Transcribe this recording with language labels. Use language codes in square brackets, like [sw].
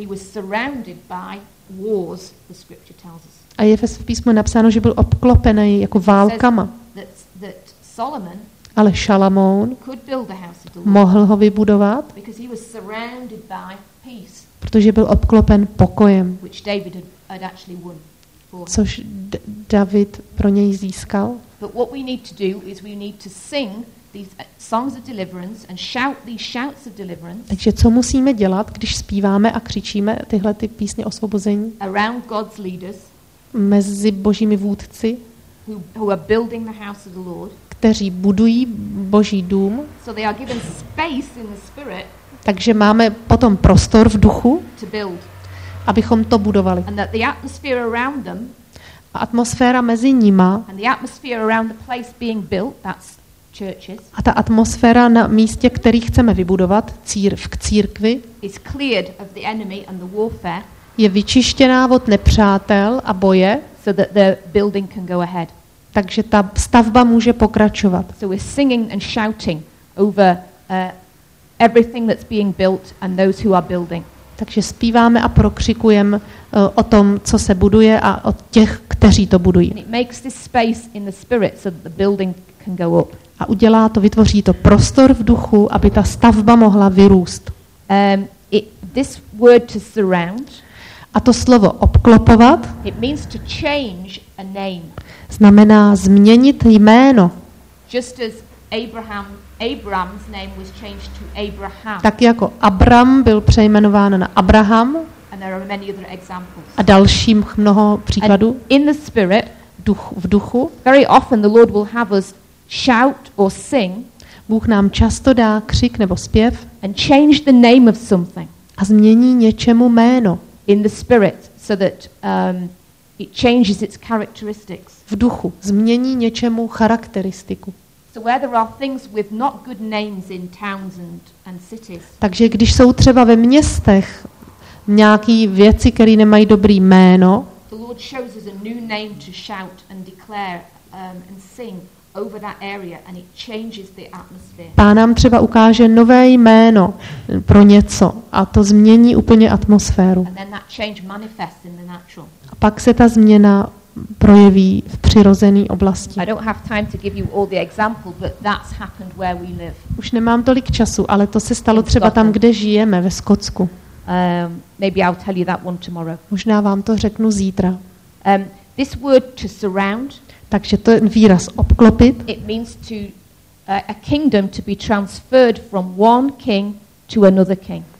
[en] And he was surrounded by wars, the scripture tells us. [cs] A je v písmu napsáno, že byl obklopený jako válkama. [en] That Solomon, [cs] ale Šalamoun [en] could build the house of the Lord, [cs] mohl ho vybudovat, [en] because he was surrounded by peace, [cs] protože byl obklopen pokojem, [en] which David had actually won for. [cs] Což David pro něj získal. [en] But what we need to do is we need to sing these songs of deliverance and shout these shouts of deliverance. [cs] Takže co musíme dělat, když zpíváme a křičíme tyhle ty písně osvobození? [en] Around God's leaders, [cs] mezi Božími vůdci, [en] who are building the house of the Lord, [cs] kteří budují Boží dům. [en] So they are given space in the spirit, [cs] takže máme potom prostor v duchu, [en] to build, [cs] abychom to budovali. [en] And that the atmosphere around them, [cs] atmosféra mezi nima, [en] and the atmosphere around the place being built, that's churches, [cs] a ta atmosféra na místě, který chceme vybudovat, v církvi, [en] is cleared of the enemy and the warfare, [cs] je vyčištěná od nepřátel a boje, [en] so that the building can go ahead. [cs] Takže ta stavba může pokračovat. [en] So we're singing and shouting over everything that's being built and those who are building. [cs] Takže zpíváme a prokřikujeme o tom, co se buduje a o těch, kteří to budují. [en] It makes this space in the spirit so that the building can go up. [cs] A udělá to, vytvoří to prostor v duchu, aby ta stavba mohla vyrůst. [en] This word to surround, [cs] a to slovo obklopovat, [en] it means to change a name, [cs] znamená změnit jméno. [en] Just as Abraham's name was changed to Abraham. [cs] Tak jako Abram byl přejmenován na Abraham. [en] And there are many other examples. [cs] A dalším mnoho příkladů. [en] And in the spirit, [cs] v duchu, [en] very often the Lord will have us shout or sing, [cs] Bůh nám často dá křik nebo zpěv, [en] and change the name of something, [cs] a změní něčemu jméno. [en] In the spirit, so that it changes its characteristics. [cs] V duchu změní něčemu charakteristiku. [en] So where there are things with not good names in towns and cities. [cs] Takže když jsou třeba ve městech nějaký věci, které nemají dobrý jméno. [en] The Lord shows us a new name to shout and declare and sing over that area, and it changes the atmosphere. [cs] Pán nám třeba ukáže nové jméno pro něco a to změní úplně atmosféru. [en] And then that change manifests in the natural. [cs] A pak se ta změna projeví v přirozené oblasti. [en] I don't have time to give you all the example, but that's happened where we live. [cs] Už nemám tolik času, ale to se stalo třeba tam, kde žijeme, ve Skotsku. [en] Maybe I'll tell you that one tomorrow. [cs] Možná vám to řeknu zítra. [en] This word to surround, [cs] takže to je výraz obklopit. [en] It means to a kingdom to be transferred from one king to another king.